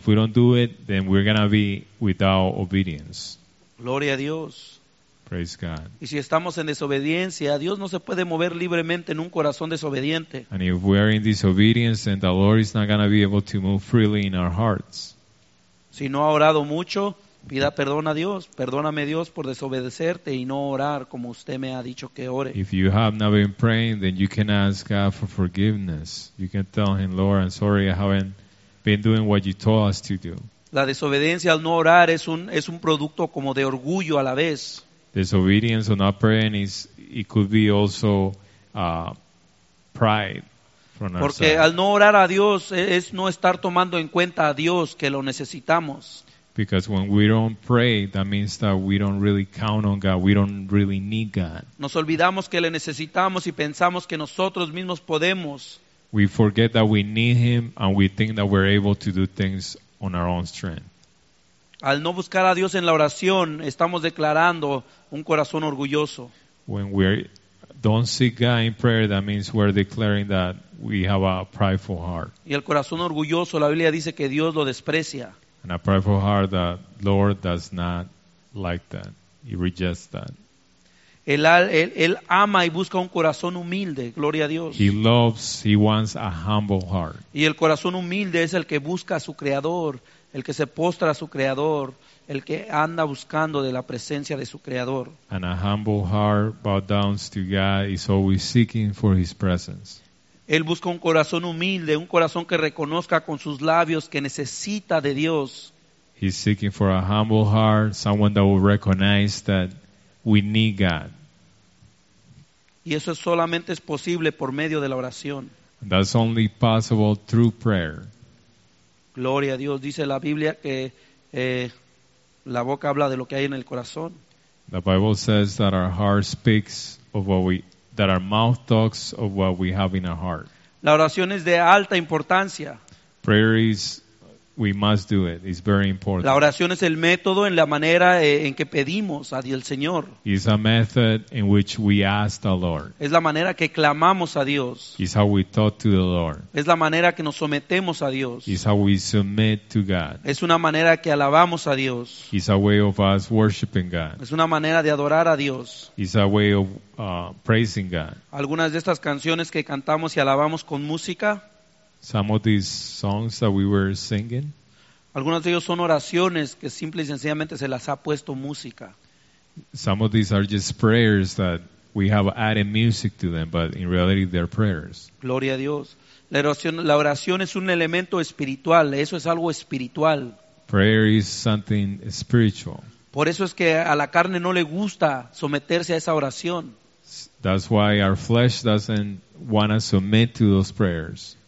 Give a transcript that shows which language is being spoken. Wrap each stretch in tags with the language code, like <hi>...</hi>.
<en>If we don't do it, then we're going to be without obedience.</en> <es>Gloria a Dios.</es> <en>Praise God.</en> <es>Y si estamos en desobediencia, Dios no se puede mover libremente en un corazón desobediente.</es> <en>And if we are in disobedience, then the Lord is not going to be able to move freely in our hearts.</en> <es>Si no ha orado mucho, pida perdón a Dios. Perdóname, Dios, por desobedecerte y no orar como usted me ha dicho que ore.</es> <en>If you have not been praying, then you can ask God for forgiveness. You can tell him, Lord, I'm sorry I haven't been doing what you told us to do.</en> <es>La desobediencia al no orar es un producto como de orgullo a la vez.</es> <en>Disobedience or not praying could be also pride from ourselves.</en> <es>Porque al no orar a Dios es no estar tomando en cuenta a Dios que lo necesitamos.</es> <en>Because when we don't pray, that means that we don't really count on God. We don't really need God.</en> <es>Nos olvidamos que le necesitamos y pensamos que nosotros mismos podemos.</es> <en>We forget that we need Him and we think that we're able to do things on our own strength.</en> <es>Al no buscar a Dios en la oración, estamos declarando un corazón orgulloso.</es> <en>When we don't seek God in prayer, that means we're declaring that we have a prideful heart.</en> <es>Y el corazón orgulloso, la Biblia dice que Dios lo desprecia.</es> <en>And a prideful heart, the Lord does not like that. He rejects that.</en> <es>Él ama y busca un corazón humilde, gloria a Dios.</es> <en>He loves, he wants a humble heart.</en> <es>Y el corazón humilde es el que busca a su Creador. El que se postra a su Creador, el que anda buscando de la presencia de su Creador.</es> <en>And a humble heart bowed down to God is always seeking for His presence.</en> <es>Él busca un corazón humilde, un corazón que reconozca con sus labios que necesita de Dios.</es> <en>He's seeking for a humble heart, someone that will recognize that we need God.</en> <es>Y eso solamente es posible por medio de la oración.</es> <en>That's only possible through prayer.</en> <es>Gloria a Dios. Dice la Biblia que la boca habla de lo que hay en el corazón.</es> <en>The Bible says that our heart speaks of what we, that our mouth talks of what we have in our heart.</en> <es>La oración es de alta importancia.</es> <en>Prayer is, we must do it. It's very important.</en> <es>La oración es el método en la manera en que pedimos a Dios, el Señor.</es> <en>It's a method in which we ask the Lord.</en> <es>Es la manera que clamamos a Dios.</es> <en>It's how we talk to the Lord.</en> <es>Es la manera que nos sometemos a Dios.</es> <en>It's how we submit to God.</en> <es>Es una manera que alabamos a Dios.</es> <en>It's a way of us worshiping God.</en> <es>Es una manera de adorar a Dios.</es> <en>It's a way of praising God.</en> <es>Algunas de estas canciones que cantamos y alabamos con música.</es> <en>Some of these songs that we were singing.</en> <es>Algunos de ellos son oraciones que simple y sencillamente se las ha puesto música.</es> <en>Some of these are just prayers that we have added music to them, but in reality they're prayers.</en> <es>Gloria a Dios. La oración es un elemento espiritual. Eso es algo espiritual.</es> <en>Prayer is something spiritual.</en> <es>Por eso es que a la carne no le gusta someterse a esa oración.</es> <en>That's why our flesh doesn't want to submit to those prayers.</en>